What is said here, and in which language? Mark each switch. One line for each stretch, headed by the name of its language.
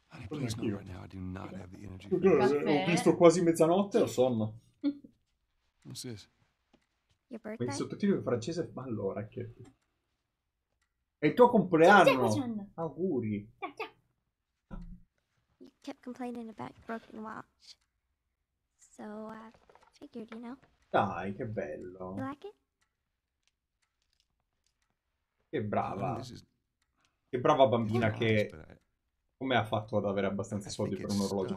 Italian: Ho visto quasi mezzanotte, ho sonno. Ma il sottotitolo in francese, ma allora che è il tuo compleanno, auguri.
English: You kept complaining about your broken watch, so I figured, you know.
Italian: Dai, che bello.
English: You like it?
Italian: Che brava bambina che come ha fatto ad avere abbastanza soldi per un orologio?